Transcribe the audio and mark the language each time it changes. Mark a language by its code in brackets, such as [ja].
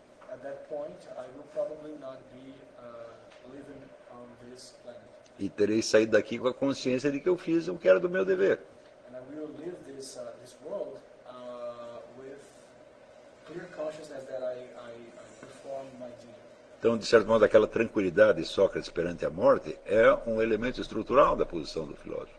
[en] At that point, I will probably not be living on this planet. [pt] E terei saído daqui com a consciência de que eu fiz o que era do meu dever. [en] And I will live this this world with clear consciousness that I performed my duty. [pt] Então, de certo modo, aquela tranquilidade de Sócrates perante a morte é um elemento estrutural da posição do filósofo.